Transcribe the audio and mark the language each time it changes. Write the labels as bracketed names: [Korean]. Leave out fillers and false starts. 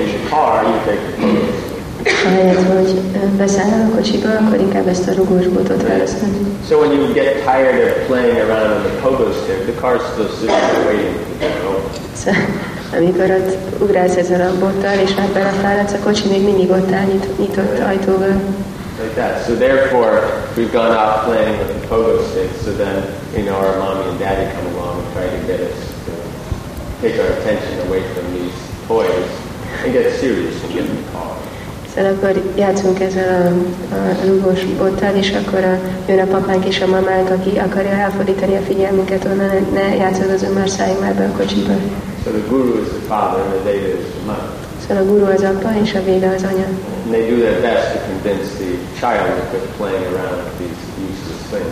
[Hungarian] Ha helyett, hogy beszállnál a kocsiba, akkor inkább ezt a rugós boltot választod. [English] So when you get tired of playing around on the pogo stick, the car is still sitting there waiting to get home. [Hungarian] Amikor ott ugrálsz ezzel a bottal, és már belefáradsz, a kocsi még mindig ott áll, nyitott ajtóval. [English] Like that. So therefore, we've gone out playing with the pogo stick, so then, you know, our mommy and daddy come along and try to get us to take our attention away from these toys and get serious and get in the car. [Hungarian] Szóval akkor játszunk ezzel a rugós bottal, és akkor jön a papánk és a mamánk, aki akarja elfordítani a figyelmünket onnan, ne játszadozunk már, szálljunk már be a kocsiba. [English] So the guru is the father and the veda is the mother. [Hungarian] Szóval a guru az apa és a veda az anya. [English] And they do their best to convince the child that they're playing around with these useless